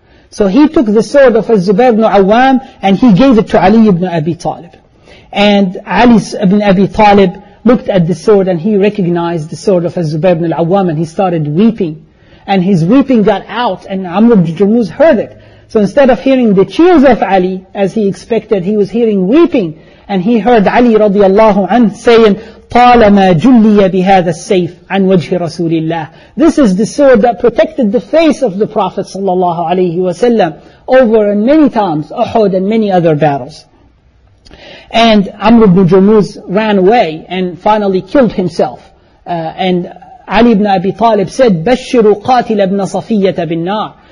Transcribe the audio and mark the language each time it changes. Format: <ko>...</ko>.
<en>So he took the sword of Az-Zubair ibn Awam and he gave it to Ali ibn Abi Talib. And Ali ibn Abi Talib looked at the sword and he recognized the sword of Az-Zubair ibn Awam and he started weeping. And his weeping got out and Amr ibn Jurmuz heard it. So instead of hearing the cheers of Ali as he expected, he was hearing weeping. And he heard Ali radiallahu anhu saying,</en> <ar>"طالما جلي بهذا السيف عن وجه رسول الله."</ar> <en>This is the sword that protected the face of the Prophet sallallahu alaihi wasallam over and many times, Uhud and many other battles. And Amr ibn Jurmuz ran away and finally killed himself. And Ali ibn Abi Talib said,</en> <ar>"بشروا قاتل ابن صفية بالنار."</ar>